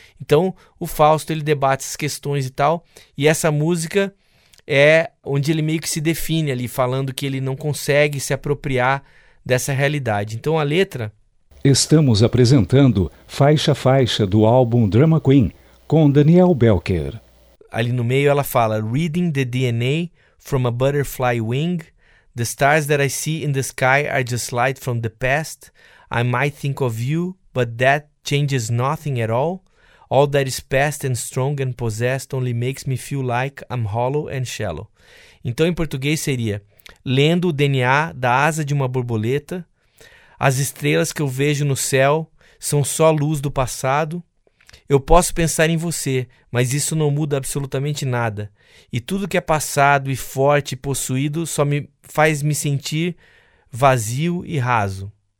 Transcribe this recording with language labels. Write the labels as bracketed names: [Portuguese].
[Portuguese] Então, o Fausto, ele debate essas questões e tal, e essa música é onde ele meio que se define ali, falando que ele não consegue se apropriar dessa realidade. Então, a letra... Estamos apresentando Faixa a Faixa, do álbum Drama Queen, com Daniel Belker. Ali no meio ela fala: [English] Reading the DNA from a butterfly wing, the stars that I see in the sky are just light from the past. I might think of you, but that changes nothing at all. All that is past and strong and possessed only makes me feel like I'm hollow and shallow. [Portuguese] Então, em português seria: lendo o DNA da asa de uma borboleta, as estrelas que eu vejo no céu são só luz do passado. Eu posso pensar em você, mas isso não muda absolutamente nada. E tudo que é passado e forte e possuído só me faz me sentir vazio e raso.